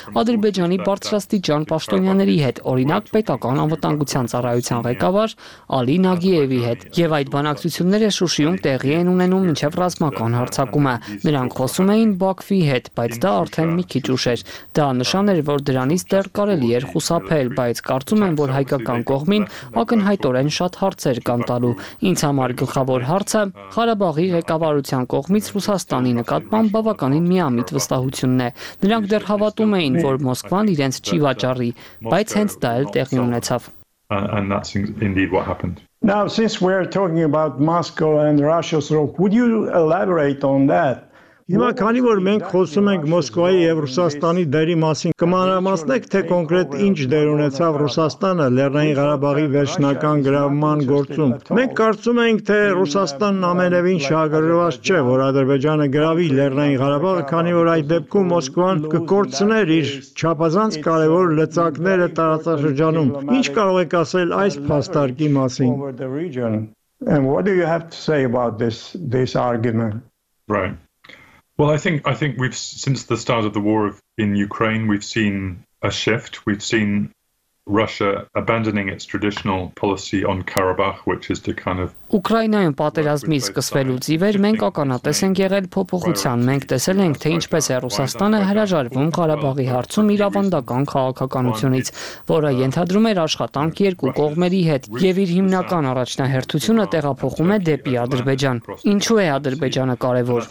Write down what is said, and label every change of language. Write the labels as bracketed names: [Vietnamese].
[Armenian] Ադրբեջանի բարձրաստիճան պաշտոնյաների հետ, օրինակ պետական անվտանգության ծառայության ղեկավար Ալի Նագիևի հետ, եւ այդ բանակցությունները Շուշիում տեղի են ունենում մինչև ռազմական հարձակումը։ Նրանք խոսում էին Բաքվի հետ, բայց դա արդեն մի քիչ ուշ էր։ Դա նշան էր, որ դրանից դեռ կարելի էր խուսափել, բայց կարծում եմ, որ հայկական կողմին ակնհայտորեն շատ հարցեր կան տալու։ Ինձ համար գլխավոր հարցը Ղարաբաղի ղեկավարության կողմից Ռուսաստանի նկատմամբ բավականին միամիտ վստահությունն է։ Նրանք դեռ հավատում էին, որ Մոսկվան իրենց չի վաճառի, բայց հենց դա էլ տեղի ունեցավ։ [English] And that's indeed what happened. Now, since we're talking about Moscow and Russia's role, would you elaborate on that? [Armenian] Հիմա քանի որ մենք խոսում ենք Մոսկվայի եւ Ռուսաստանի դերի մասին, կմանրամասնեք, թե կոնկրետ ինչ դեր ունեցավ Ռուսաստանը Լեռնային Ղարաբաղի վերջնական գրավման գործում։ Մենք կարծում ենք, թե Ռուսաստանն ամենևին շահագրգռված չէ, որ Ադրբեջանը գրավի Լեռնային Ղարաբաղը, քանի որ այդ դեպքում Մոսկվան կկործներ իր չափազանց կարևոր լծակները տարածաշրջանում։ Ինչ կարող եք ասել այս փաստարկի մասին? [English] And what do you have to say about this argument? Right. Well, I think we've, since the start of the war in Ukraine, we've seen a shift. We've seen Russia abandoning its traditional policy on Karabakh, which is to kind of [Armenian] Ուկրաինայում պատերազմի սկսվելուց ի վեր մենք ականատես ենք եղել փոփոխության։ Մենք տեսել ենք, թե ինչպես է Ռուսաստանը հրաժարվում Ղարաբաղի հարցում իր ավանդական քաղաքականությունից, որը ենթադրում էր աշխատանք երկու կողմերի հետ, եւ իր հիմնական առաջնահերթությունը տեղափոխում է դեպի Ադրբեջան։ Ինչու է Ադրբեջանը կարևոր?